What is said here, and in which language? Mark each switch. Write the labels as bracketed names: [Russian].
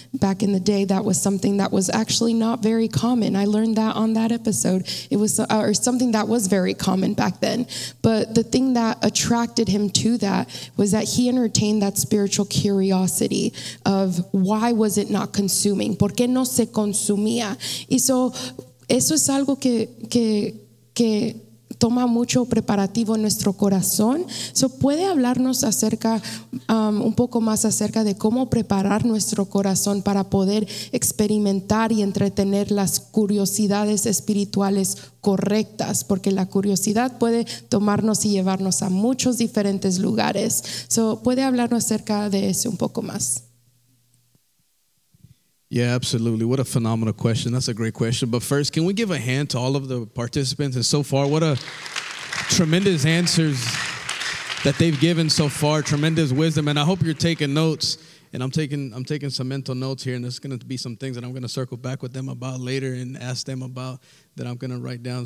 [English] Back in the day, that was something that was actually not very common. I learned that on that episode. It was or something that was very common back then. But the thing that attracted him to that was that he entertained that spiritual curiosity of why was it not consuming? [Spanish] ¿Por qué no se consumía? Y so, eso es algo que toma mucho preparativo en nuestro corazón. So, ¿puede hablarnos acerca, un poco más acerca de cómo preparar nuestro corazón para poder experimentar y entretener las curiosidades espirituales correctas? Porque la curiosidad puede tomarnos y llevarnos a muchos diferentes lugares. So, ¿puede hablarnos acerca de eso un poco más? [English] Yeah, absolutely. What a phenomenal question. That's a great question. But first, can we give a hand to all of the participants? And so far, what a tremendous answers that they've given so far, tremendous wisdom. And I hope you're taking notes. And I'm taking some mental notes here, and there's going to be some things that I'm going to circle back with them about later and ask them about that I'm going to write down.